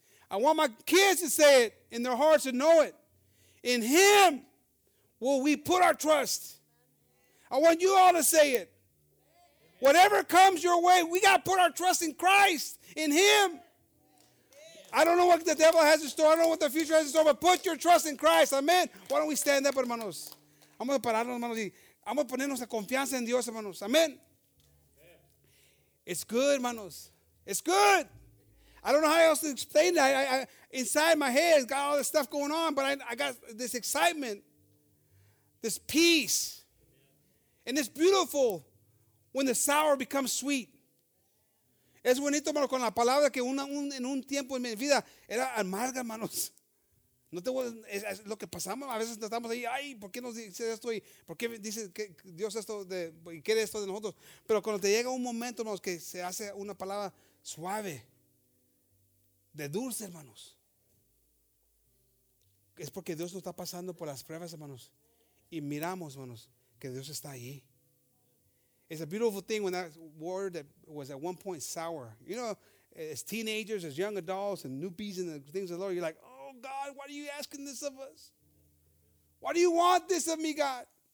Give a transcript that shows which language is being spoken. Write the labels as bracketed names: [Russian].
[English] I want my kids to say it in their hearts and know it. In him will we put our trust. I want you all to say it. Whatever comes your way, we got to put our trust in Christ, in him. I don't know what the devil has in store. I don't know what the future has in store, but put your trust in Christ. Amen. Why don't we stand up, hermanos? [Spanish] Vamos a pararnos, hermanos. Vamos a ponernos la confianza en Dios, hermanos. [English] Amen. It's good, hermanos. It's good. I don't know how else to explain that. I inside my head, got all this stuff going on, but I got this excitement, this peace. And it's beautiful when the sour becomes sweet. [Spanish] Es bonito, hermano, con la palabra que en un tiempo en mi vida era amarga, hermanos. No te voy a, es lo que pasamos. A veces estamos ahí, ay, ¿por qué nos dice esto? Y ¿por qué dice que Dios esto de, y quiere esto de nosotros? Pero cuando te llega un momento, hermanos, que se hace una palabra suave, de dulce, hermanos, es porque Dios nos está pasando por las pruebas, hermanos. Y miramos, hermanos, que Dios está ahí. [English] It's a beautiful thing when that word that was at one point sour. You know, as teenagers, as young adults, and newbies and the things of the Lord, you're like, oh, God, why are you asking this of us? Why do you want this of me, God?